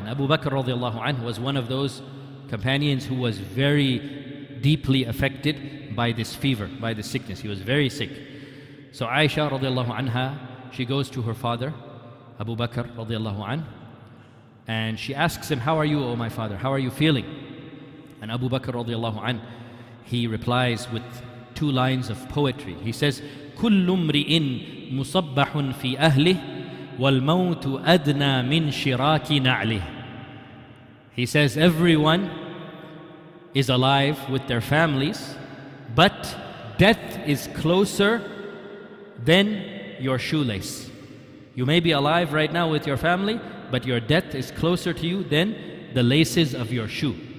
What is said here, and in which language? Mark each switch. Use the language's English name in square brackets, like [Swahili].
[English] And Abu Bakr radiallahu anha was one of those companions who was very deeply affected by this fever, by this sickness. He was very sick. So Aisha radiallahu anha, she goes to her father, Abu Bakr radiallahu anha, and she asks him, how are you, O my father? How are you feeling? And Abu Bakr radiallahu anha, he replies with two lines of poetry. He says, [Arabic] كل امرئ مصبح في أهله والموت أدنى من شراك نعله. [English] He says, everyone is alive with their families, but death is closer than your shoelace. You may be alive right now with your family, but your death is closer to you than the laces of your shoe.